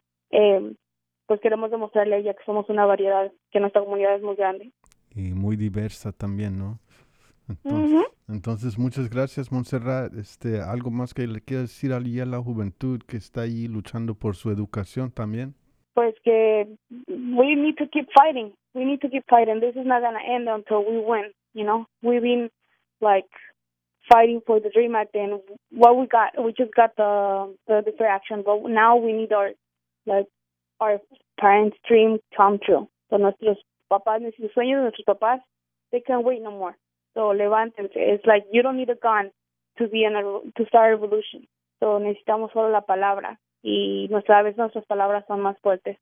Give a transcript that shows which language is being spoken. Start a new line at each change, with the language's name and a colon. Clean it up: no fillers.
Spanish: Entonces, pues queremos demostrarle a ella que somos una variedad, que nuestra comunidad es muy grande. Y muy diversa también, ¿no? Entonces, muchas gracias, Montserrat. ¿Algo más que le quieras decir allí a la juventud que está ahí luchando por su educación también? Pues que
English: we need to keep fighting. This is not gonna end until we win, you know. We've been like fighting for the dream act and what we got, we just got the distraction, but now we need our parents' dream come true.
Spanish: So nuestros papás, nuestros sueños de nuestros papás,
English: they can't wait no more.
Spanish: So levántense.
English: It's like you don't need a gun to be in a to start a revolution.
Spanish: So necesitamos solo la palabra. Y nuestra vez nuestras palabras son más fuertes.